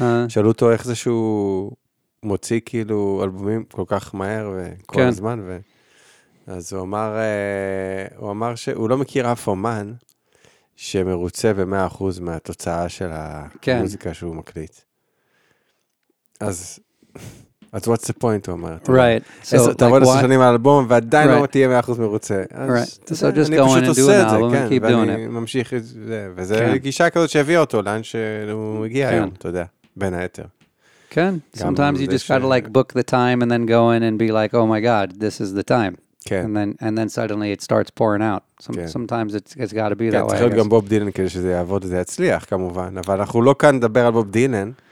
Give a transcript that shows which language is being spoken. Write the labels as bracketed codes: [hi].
[he] שאלו אותו איך זה שהוא מוציא כאילו אלבומים כל כך מהר וכל הזמן. אז הוא אמר שהוא לא מכיר אף אומן, שמרוצה ב-100% מהתוצאה של המוזיקה שהוא מקליט. אז [en] what's the point, [he] הוא אמר. [en] Right. [he] תעבוד 10 שנים על אלבום, ועדיין לא תהיה 100% מרוצה. [en] Right. So just go on and do an album and keep doing it. [he] ואני ממשיך את זה. וזה גישה כזאת שהביא אותו, לאן שהוא הגיע היום, אתה יודע, בין היתר. כן. [en] Sometimes you just got to like book the time and then go in and be like, oh my god, this is the time. [he] כן. [en] And then suddenly it starts pouring out. Sometimes it's got to be that way. [he] צריך להיות גם בוב דילן כדי שזה יעבוד, זה יצליח כמובן, אבל אנחנו לא כאן לדבר על בוב דילן.